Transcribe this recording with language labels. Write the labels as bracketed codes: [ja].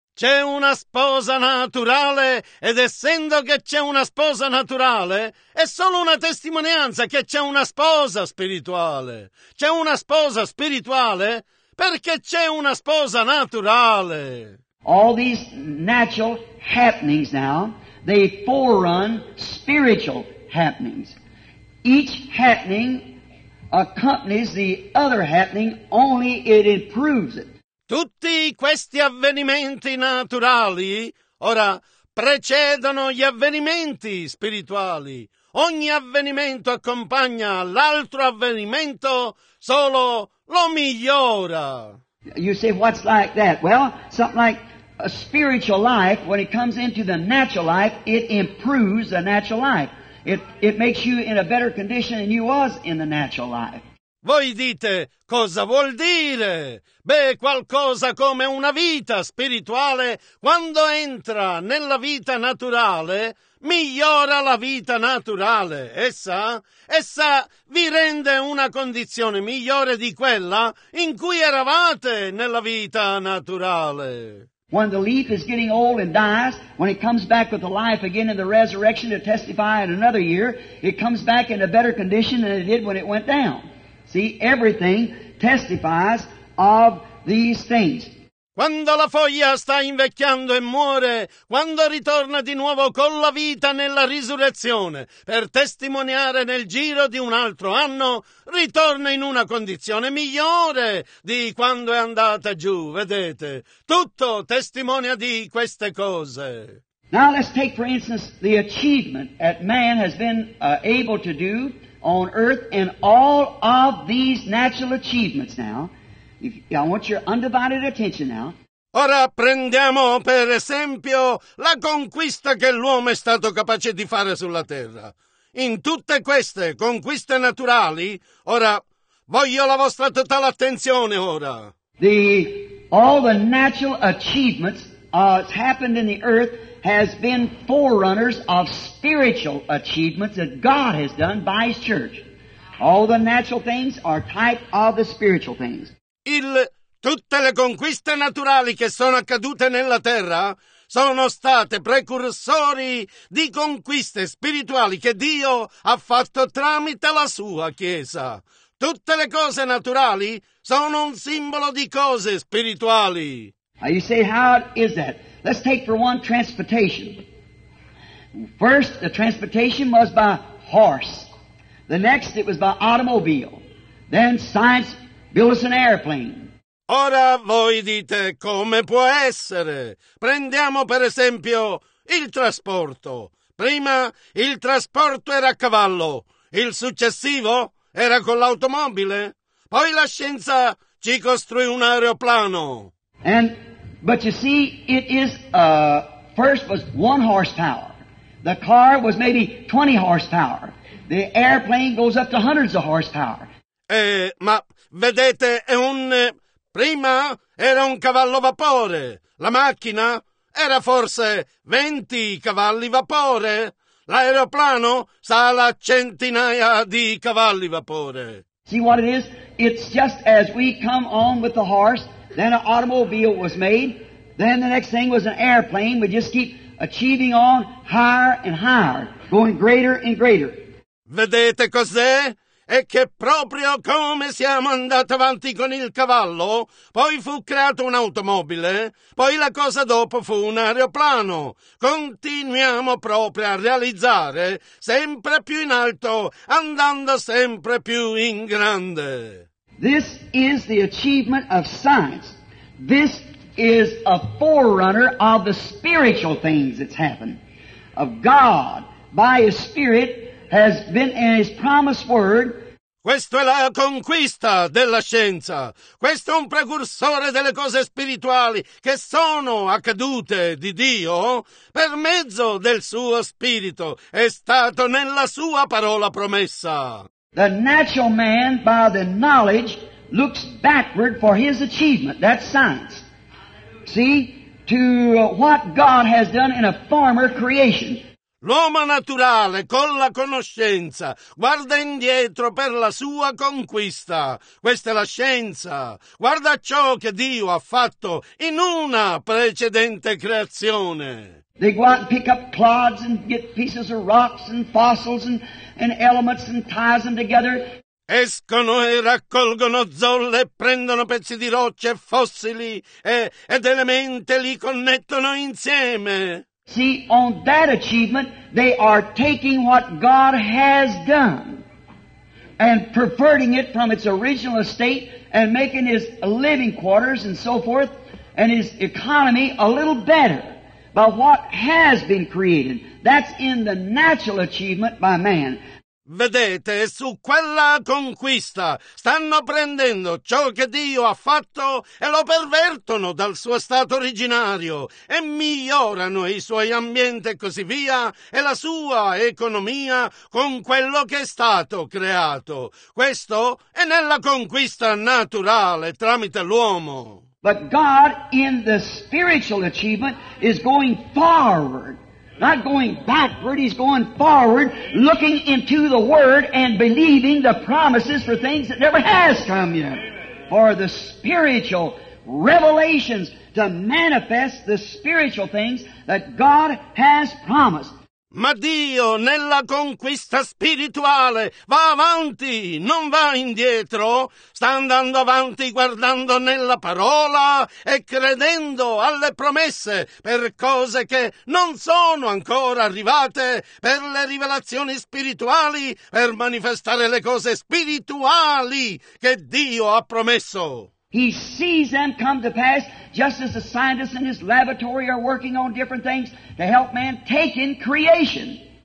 [it] C'è una sposa naturale, ed essendo che c'è una sposa naturale, è solo una testimonianza che c'è una sposa spirituale. C'è una sposa spirituale perché c'è una sposa naturale. [en] All these natural happenings now, they forerun spiritual happenings. Each happening accompanies the other happening, only it improves it. [it] Tutti questi avvenimenti naturali ora precedono gli avvenimenti spirituali. Ogni avvenimento accompagna l'altro avvenimento, solo lo migliora. [en] You say, what's like that? Well, something like a spiritual life, when it comes into the natural life, it improves the natural life. It makes you in a better condition than you was in the natural life. [it] Voi dite, cosa vuol dire? Beh, qualcosa come una vita spirituale, quando entra nella vita naturale, migliora la vita naturale. Essa vi rende una condizione migliore di quella in cui eravate nella vita naturale. [en] When the leaf is getting old and dies, when it comes back with the life again in the resurrection to testify in another year, it comes back in a better condition than it did when it went down. See, everything testifies of these things. [it] Quando la foglia sta invecchiando e muore, quando ritorna di nuovo con la vita nella risurrezione, per testimoniare nel giro di un altro anno, ritorna in una condizione migliore di quando è andata giù, vedete? Tutto testimonia di queste cose. [en] Now let's take for instance the achievement that man has been able to do on earth and all of these natural achievements now. I want your undivided attention now. [it] Ora prendiamo per esempio la conquista che l'uomo è stato capace di fare sulla terra. In tutte queste conquiste naturali, ora voglio la vostra totale attenzione ora. [en] All the natural achievements that's happened in the earth has been forerunners of spiritual achievements that God has done by His church. All the natural things are type of the spiritual things. [it] Tutte le conquiste naturali che sono accadute nella terra sono state precursori di conquiste spirituali che Dio ha fatto tramite la sua Chiesa. Tutte le cose naturali sono un simbolo di cose spirituali. [en] Now you say, how is that? Let's take for one transportation. First, the transportation was by horse. The next, it was by automobile. Then science built us an airplane. [it] Ora voi dite, come può essere? Prendiamo per esempio il trasporto. Prima il trasporto era a cavallo, il successivo era con l'automobile. Poi la scienza ci costruì un aeroplano. [en] But you see, it is, first was one horsepower. The car was maybe 20 horsepower. The airplane goes up to hundreds of horsepower. [it] Ma vedete, prima era un cavallo vapore. La macchina era forse 20 cavalli vapore. L'aeroplano sale a centinaia di cavalli vapore. [en] See what it is? It's just as we come on with the horse, then an automobile was made, then the next thing was an airplane. We just keep achieving on higher and higher, going greater and greater. [it] Vedete cos'è? È che proprio come siamo andati avanti con il cavallo, poi fu creato un'automobile, poi la cosa dopo fu un aeroplano. Continuiamo proprio a realizzare sempre più in alto, andando sempre più in grande. [en] This is the achievement of science. This is a forerunner of the spiritual things that's happened. Of God, by His Spirit, has been in His promised word. [it] Questo è la conquista della scienza. Questo è un precursore delle cose spirituali che sono accadute di Dio per mezzo del suo spirito. È stato nella sua parola promessa. [en] The natural man, by the knowledge, looks backward for his achievement. That's science. See? To what God has done in a former creation. [it] L'uomo naturale, con la conoscenza, guarda indietro per la sua conquista. Questa è la scienza. Guarda ciò che Dio ha fatto in una precedente creazione. [en] They go out and pick up clods and get pieces of rocks and fossils and elements and ties them together. [it] Escono e raccolgono zolle, prendono pezzi di rocce, fossili ed elementi, li connettono insieme. [en] See, on that achievement, they are taking what God has done and perverting it from its original estate and making His living quarters and so forth and His economy a little better. But what has been created, that's in the natural achievement by man. [it] Vedete, su quella conquista stanno prendendo ciò che Dio ha fatto e lo pervertono dal suo stato originario e migliorano i suoi ambienti e così via e la sua economia con quello che è stato creato. Questo è nella conquista naturale tramite l'uomo. [en] But God, in the spiritual achievement, is going forward. Not going backward, He's going forward, looking into the Word and believing the promises for things that never has come yet. Amen. For the spiritual revelations to manifest the spiritual things that God has promised. [it] Ma Dio nella conquista spirituale va avanti, non va indietro, sta andando avanti guardando nella parola e credendo alle promesse per cose che non sono ancora arrivate, per le rivelazioni spirituali, per manifestare le cose spirituali che Dio ha promesso. [en] He sees them come to pass just as the scientists in his laboratory are working on different things to help man take in creation.